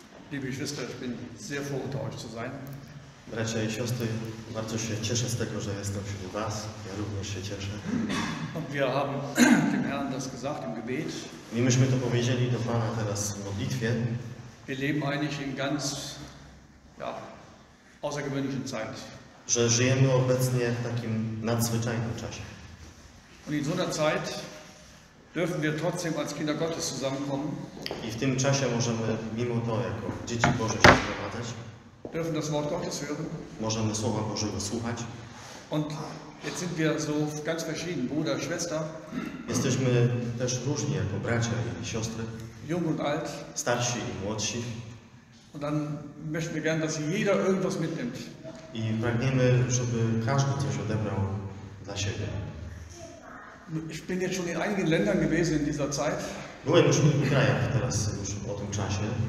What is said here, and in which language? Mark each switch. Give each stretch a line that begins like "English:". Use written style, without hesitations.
German: Liebe Schwester, ich bin sehr froh, unter euch zu sein.
Polish: Bracia i siostry, bardzo się cieszę z tego, że jestem wśród was. Ja również się cieszę.
German: Und wir haben dem Herrn das gesagt im Gebet.
Polish: I myśmy to powiedzieli do Pana teraz w modlitwie.
German: Wir leben eigentlich in ganz außergewöhnlichen Zeit.
Polish: Że żyjemy obecnie w takim nadzwyczajnym czasie.
German: Und in so einer Zeit dürfen wir trotzdem als Kinder Gottes zusammenkommen.
Polish: I w tym czasie możemy mimo to jako dzieci Boże się zgromadzać.
German: Dürfen das Wort Gottes hören.
Polish: Możemy Słowa Bożego słuchać.
German: Und jetzt sind wir so ganz verschieden, Bruder, Schwester.
Polish: Jesteśmy też różni jako bracia i siostry.
German: Jung und alt.
Polish: Starsi i młodsi.
German: Und dann möchten wir gerne, dass jeder irgendwas mitnimmt.
Polish: I pragniemy, żeby każdy coś odebrał dla siebie.
German: Ich bin jetzt schon in einigen Ländern gewesen in dieser Zeit.
Polish: Byłem już w kilku krajach teraz już o tym czasie.